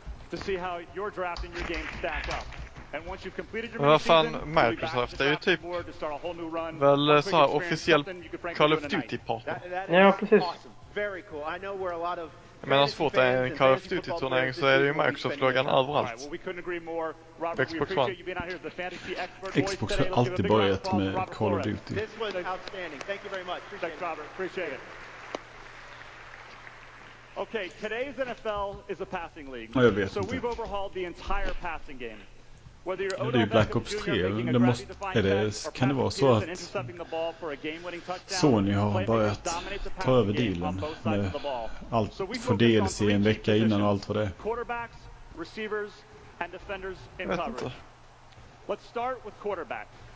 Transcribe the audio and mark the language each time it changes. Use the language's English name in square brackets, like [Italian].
[English] To see how your draft and your game stack up. And once you've completed your mission, [Swedish] fan, Microsoft är ju typ väl så här officiell Call of Duty partner. Ja, precis. [English] Very cool. I know where a lot of. [Swedish] Men har svårt att en Call of Duty turnering så är det ju Microsoft loggan överallt. [English] Xbox One. [Swedish] Xbox har alltid börjat med Call of Duty. [English] Thank you very much. Okay, today's NFL is a passing league. Oh, so we've overhauled the entire passing game. Whether you're Odell Beckham Jr. making a grand defined catch or Pat Pierce intercepting the ball for a game-winning touchdown, [Swedish] Sony har börjat ta över dealen med allt för DLC en vecka innan och allt för det. [English] Quarterbacks, receivers, and defenders in coverage. Let's start with quarterback.